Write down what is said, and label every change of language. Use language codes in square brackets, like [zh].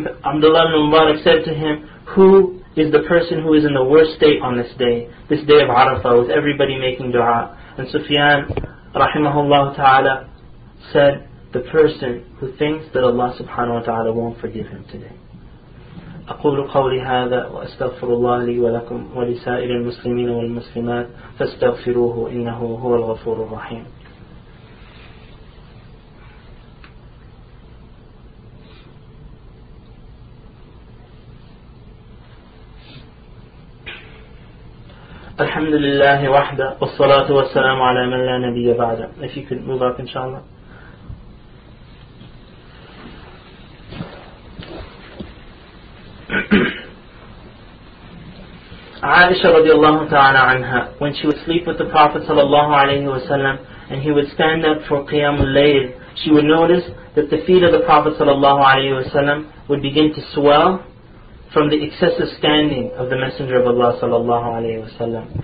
[en] Abdullah ibn Mubarak said to him, "Who is the person who is in the worst state on this day of Arafah, with everybody making dua?" And Sufyan, rahimahullah ta'ala, said, "The person who thinks that Allah subhanahu wa ta'ala won't forgive him today." [ar] أقول قولي هذا وأستغفر الله لي ولكم ولسائر المسلمين والمسلمات فاستغفروه إنه هو الغفور الرحيم. الحمد لله وحده والصلاة والسلام على من لا نبي بعده. [en] If you could move up, inshallah. Aisha radiallahu ta'ala anha, when she would sleep with the Prophet sallallahu alayhi wa sallam and he would stand up for Qiyamul Layl, she would notice that the feet of the Prophet sallallahu alayhi wa sallam would begin to swell from the excessive standing of the Messenger of Allah sallallahu alayhi wa sallam.